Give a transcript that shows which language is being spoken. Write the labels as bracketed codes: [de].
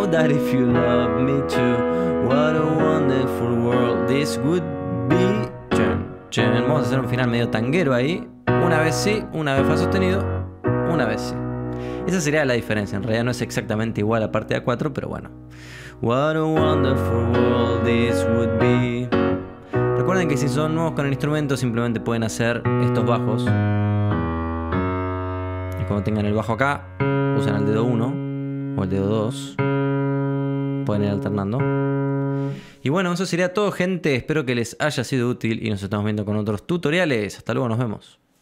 [en] If you love me too, what a wonderful world this would be. Chen, chen. [es] Vamos a hacer un final medio tanguero ahí. Una vez sí, una vez Fa sostenido, una vez sí. Esa sería la diferencia. En realidad no es exactamente igual a parte A4, pero bueno. [en] What a wonderful world this would be. [es] Recuerden que si son nuevos con el instrumento, simplemente pueden hacer estos bajos. Y cuando tengan el bajo acá, usan el dedo 1 o el dedo 2. Pueden ir alternando. Y bueno, eso sería todo, gente. Espero que les haya sido útil y nos estamos viendo con otros tutoriales. Hasta luego, nos vemos.